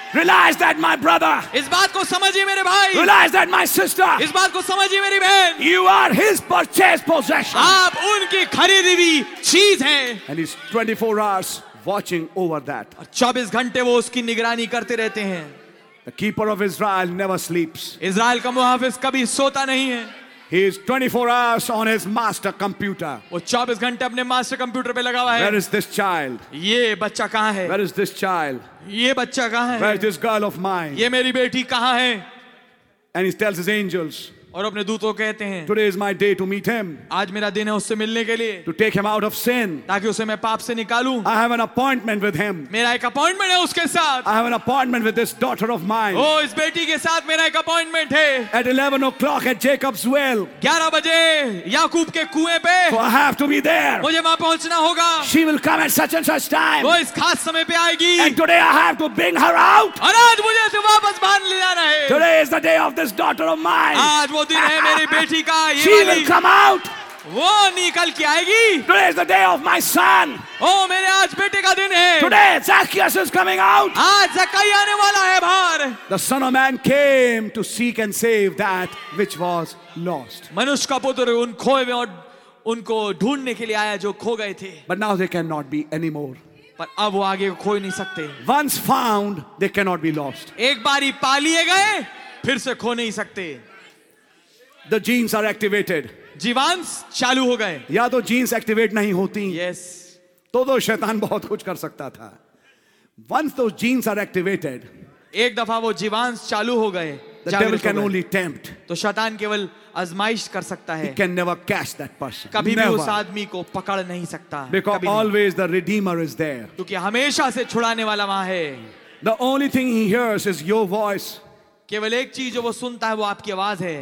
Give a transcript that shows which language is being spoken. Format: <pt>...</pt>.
<en>Realize that my brother.</en> <hi>इस बात को समझिए मेरे भाई।</hi> <en>Realize that my sister.</en> <hi>इस बात को समझिए मेरी बहन।</hi> <en>You are his purchased possession.</en> <hi>आप उनकी खरीदी हुई चीज हैं।</hi> <en>And he's 24 hours watching over that.</en> <hi>और 24 घंटे वो उसकी निगरानी करते रहते हैं।</hi> <en>The keeper of Israel never sleeps.</en> <hi>Israel का मुहाफिज कभी सोता नहीं है।</hi> <en>He is 24 hours on his master computer.</en> <hi>वो 24 घंटे अपने मास्टर कंप्यूटर पे लगा हुआ है।</hi> <en>Where is this child?</en> <hi>ये बच्चा कहाँ है?</hi> <en>Where is this child?</en> <hi>ये बच्चा कहाँ है?</hi> <en>Where is this girl of mine?</en> <hi>ये मेरी बेटी कहाँ है?</hi> <en>And he tells his angels.</en> <hi>और अपने दूतों कहते हैं।</hi> <en>Today is my day to meet him.</en> <hi>आज मेरा दिन है उससे मिलने के लिए।</hi> <en>To take him out of sin.</en> <hi>ताकि उसे मैं पाप से निकालूं।</hi> <en>I have an appointment with him.</en> <hi>मेरा एक अपॉइंटमेंट है उसके साथ।</hi> <en>I have an appointment with this daughter of mine.</en> <hi>ओ, इस बेटी के साथ मेरा एक अपॉइंटमेंट है।</hi> <en>At 11 o'clock at Jacob's well.</en> <hi>11 बजे याकूब के कुएं पे।</hi> <en>So I have to be there.</en> <hi>मुझे वहां पहुंचना होगा।</hi> <en>She will come at such and such time.</en> <hi>वो इस खास समय पे आएगी।</hi> <en>And today I have to bring her out.</en> <hi>और आज मुझे उसे वापस बांध ले जाना है।</hi> <en>Today is the day of this daughter of mine.</en> <hi>आज वो दिन है मेरी बेटी का, ये</hi> <en>She will come out.</en> <hi>वो निकल के आएगी।</hi> <en>Today is the day of my son.</en> <hi>ओ, मेरे आज बेटे का दिन है।</hi> <en>Today Zacchaeus is coming out.</en> <hi>आज ज़कायाह आने वाला है बाहर।</hi> <en>The son of man came to seek and save that which was lost.</en> <hi>मनुष्य का पुत्र उन खोए हुए और उनको ढूंढने के लिए आया जो खो गए थे।</hi> <en>But now they cannot be anymore.</en> <hi>पर अब वो आगे खो ही नहीं सकते।</hi> <en>Once found, they cannot be lost.</en> <hi>एक बार ही पा लिए गए, फिर से खो नहीं सकते।</hi> <en>The genes are activated.</en> <hi>जीवांश चालू हो गए। या तो genes activate नहीं होती।</hi> <en>Yes.</en> <hi>तो शैतान बहुत कुछ कर सकता था।</hi> <en>Once those genes are activated,</en> <hi>एक दफा वो जीवांश चालू हो गए,</hi> <en>the devil can only tempt.</en> <hi>तो शैतान केवल अजमाइश कर सकता है।</hi> <en>He can never catch that person.</en> <hi>कभी भी उस आदमी को पकड़ नहीं सकता।</hi> <en>Because always the redeemer is there.</en> <hi>क्योंकि हमेशा से छुड़ाने वाला वहां है।</hi> <en>The only thing he hears is your voice.</en> <hi>केवल एक चीज जो वो सुनता है वो आपकी आवाज है।</hi>